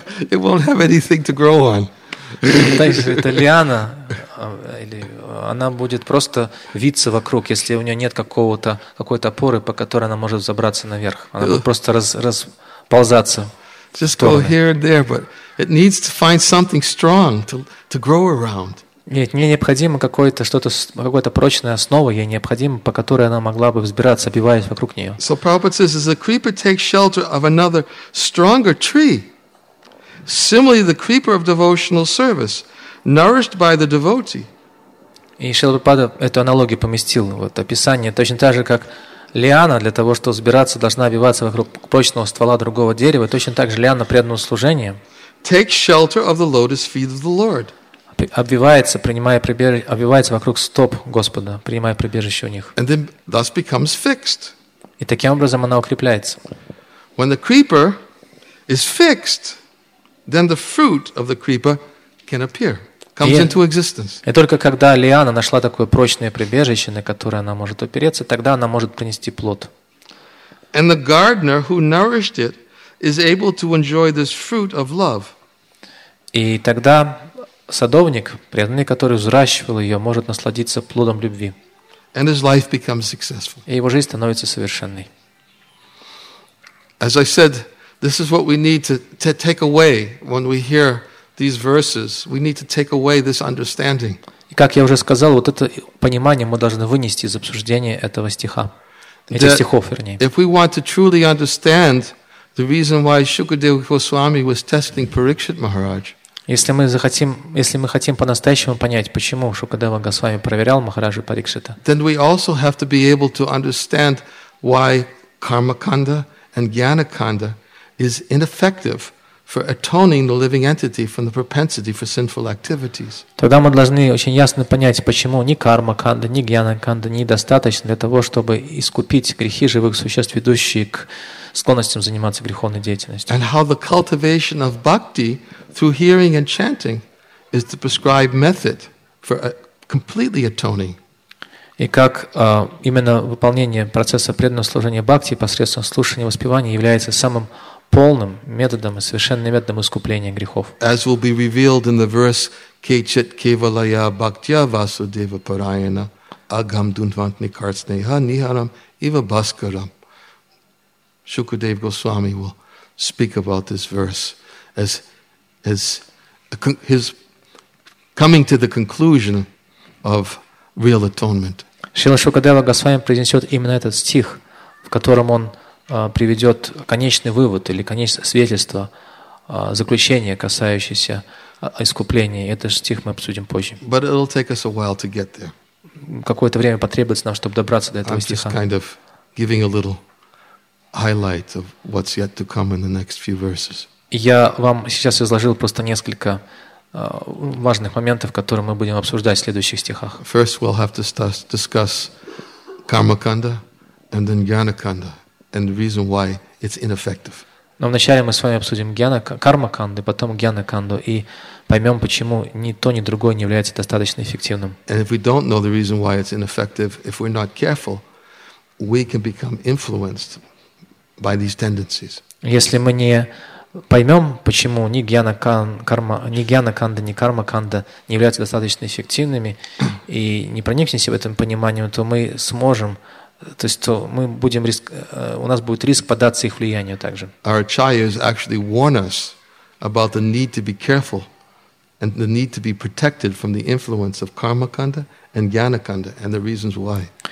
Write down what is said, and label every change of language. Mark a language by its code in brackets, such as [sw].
[en] It won't have anything to grow on. [ru] Это лиана, или она будет просто виться вокруг, если у нее нет какой-то опоры, по которой она может забраться наверх. Она будет просто расползаться. [en] Just go here and there, but it needs to find something strong to grow around. [ru] Нет, мне необходимо какой-то прочная основа, ей необходимо, по которой она могла бы взбираться, обиваясь вокруг нее. [en] So Prabhupada says, as a creeper takes shelter of another stronger tree. Similarly, the creeper of devotional service, nourished by the devotee. [ru] И Шрила Прабхупада эту аналогию поместил, вот описание, точно так же, как лиана для того, чтобы взбираться, должна обвиваться вокруг прочного ствола другого дерева, точно так же лиана преданного служения. [en] Take shelter of the lotus feet of the Lord. [ru] Обвивается, принимая прибежище, обвивается вокруг стоп Господа, принимая прибежище у них. [en] And then thus becomes fixed. [ru] И таким образом она укрепляется. [en] When the creeper is fixed, then the fruit of the creeper can appear. Comes into existence. [ru] И только когда лиана нашла такое прочное прибежище, на которое она может опереться, тогда она может принести плод. [en] And the gardener who nourished it is able to enjoy this fruit of love. [ru] И тогда садовник, преданный, который взращивал ее, может насладиться плодом любви. [en] And his life becomes successful. [ru] И его жизнь становится совершенной. [en] As I said, this is what we need to take away when we hear these verses. We need to take away this understanding. [ru] И как я уже сказал, вот это понимание мы должны вынести из обсуждения этого стиха, этих стихов, вернее. [en] If we want to truly understand the reason why Shukadeva Goswami was testing Parikshit Maharaj. [ru] Если мы хотим по-настоящему понять, почему Шукадева Госвами проверял Махараджа Парикшита, [en] then we also have to be able to understand why Кармаканда and Гьянаканда is ineffective for atoning the living entity from the propensity for sinful activities. [ru] Тогда мы должны очень ясно понять, почему ни Кармаканда, ни Гьянаканда недостаточно для того, чтобы искупить грехи живых существ, ведущие к склонностям заниматься греховной деятельностью. [en] And how the cultivation of bhakti through hearing and chanting is the prescribed method for completely atoning. [ru] И как именно выполнение процесса преданного служения бхакти посредством слушания и воспевания является самым полным методом и совершенным методом искупления грехов. [en] As will be revealed in the verse [sa] Kechit Kevalaya Bhaktya Vasudeva Parayana Agam Dunvantni Kartsneha Niharam Iva Bhaskaram. [en] Shukadeva Goswami will speak about this verse as his coming to the conclusion of real atonement. [ru] Шрила Шукадева Госвами произнесет именно этот стих, в котором он приведет конечный вывод или конечное свидетельство, заключение, касающееся искупления. Этот стих мы обсудим позже. [en] But it'll take us a while to get there. [ru] Какое-то время потребуется нам, чтобы добраться до этого [en] I'm [ru] стиха. [en] Just kind of giving a little highlight of what's yet to come in the next few verses. [ru] Я вам сейчас изложил просто несколько важных моментов, которые мы будем обсуждать в следующих стихах. [en] First we'll have to discuss Кармаканда and then Гьянаканда and the reason why it's ineffective. [ru] Но вначале мы с вами обсудим Кармаканду, потом Гьянаканду и поймем, почему ни то, ни другое не является достаточно эффективным. [en] And if we don't know the reason why it's ineffective, if we're not careful, we can become influenced by these tendencies. [ru] Если мы не поймем, почему ни Гьянаканда, ни Кармаканда не являются достаточно эффективными и не проникнемся в этом понимании, то мы сможем, то есть то мы будем риск, у нас будет риск поддаться их влиянию также. [en] Our acharyas actually warn us about the need to be careful and the need to be protected from the influence of Кармаканда and Гьянаканда and the reasons why.